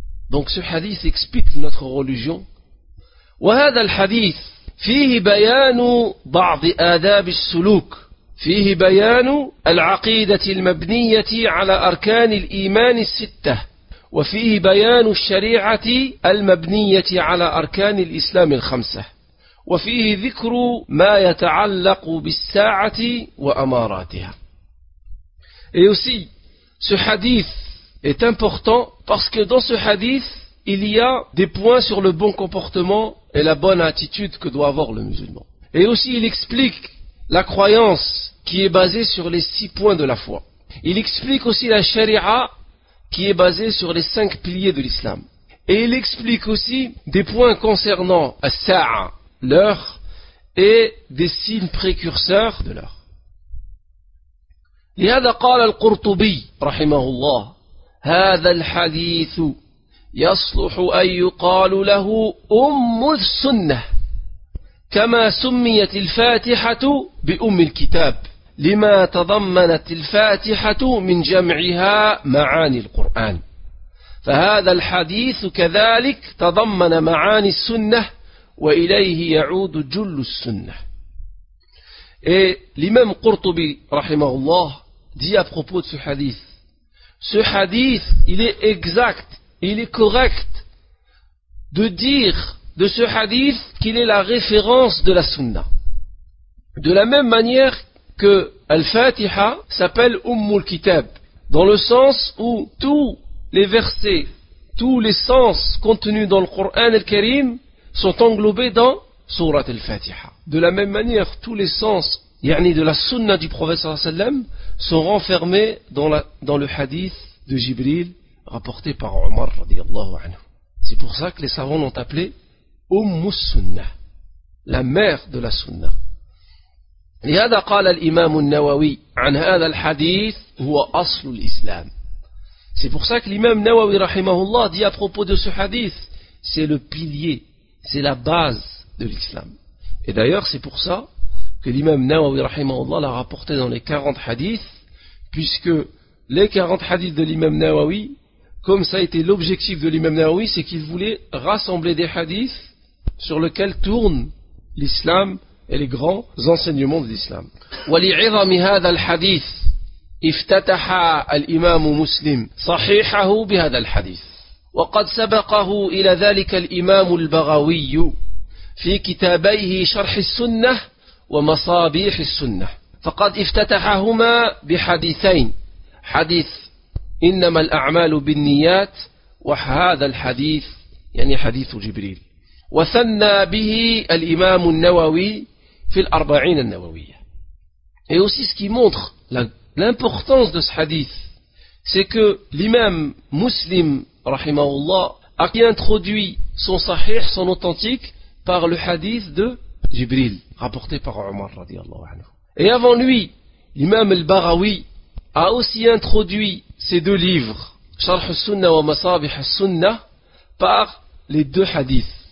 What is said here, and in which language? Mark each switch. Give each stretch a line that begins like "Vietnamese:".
French: Donc ce hadith explique notre religion.
Arabic: وهذا الحديث فيه بيان بعض آداب السلوك فيه بيان العقيدة المبنية على أركان الإيمان الستة وفيه بيان الشريعة المبنية على أركان الإسلام الخمسة وفيه ذكر ما يتعلق بالساعة وأماراتها.
French: Et aussi, ce hadith est important parce que dans ce hadith, il y a des points sur le bon comportement et la bonne attitude que doit avoir le musulman. Et aussi, il explique la croyance qui est basée sur les 6 points de la foi. Il explique aussi la sharia qui est basée sur les 5 piliers de l'islam. Et il explique aussi des points concernant as-sa'a, l'heure, et des signes précurseurs de l'heure.
Arabic: لهذا قال القرطبي رحمه الله هذا الحديث يصلح أن يقال له أم السنة كما سميت الفاتحة بأم الكتاب لما تضمنت الفاتحة من جمعها معاني القرآن فهذا الحديث كذلك تضمن معاني السنة وإليه يعود جل السنة. الإمام قرطبي رحمه الله دي
French: à propos de ce hadith il est exact. Il est correct de dire de ce hadith qu'il est la référence de la sunna. De la même manière que Al-Fatiha s'appelle Ummul Kitab, dans le sens où tous les versets, tous les sens contenus dans le Coran al-Karim sont englobés dans Sourate Al-Fatiha. De la même manière, tous les sens, yani de la sunna du prophète sallallahu alayhi wa sallam, sont renfermés dans le hadith de Jibril rapporté par Omar radiallahu anhu. C'est pour ça que les savants l'ont appelé Ummus Sunnah, la mère de la sunna.
Arabic: لهذا قال الإمام النووي عن هذا الحديث هو أصل الإسلام.
French: C'est pour ça que l'imam Nawawi rahimahullah dit à propos de ce hadith, c'est le pilier, c'est la base de l'islam. Et d'ailleurs, c'est pour ça que l'imam Nawawi rahimahullah l'a rapporté dans les 40 hadiths, puisque les 40 hadiths de l'imam Nawawi, comme ça a été l'objectif de l'imam Nawawi, c'est qu'il voulait rassembler des hadiths sur lesquels tourne l'islam et les grands enseignements de l'islam.
Arabic: ولعظم هذا الحديث افتتح الإمام مسلم صحيحه بهذا الحديث وقد سبقه إلى ذلك الإمام البغوي في كتابيه شرح السنة ومصابيح السنة فقد افتتحهما بحديثين حديث إنما الأعمال بالنيات وهذا الحديث يعني حديث جبريل وثنى به الإمام النووي في الأربعين النووية.
French: Et aussi ce qui montre l'importance de ce hadith, c'est que l'imam Muslim, rahimahullah, a introduit son sahih, son authentique, par le hadith de Jibril, rapporté par Omar, radiallahu anhu. Et avant lui, l'imam al-Baghawi a aussi introduit ces deux livres, Sharh al-Sunnah wa Masabih al-Sunnah, par les deux hadiths.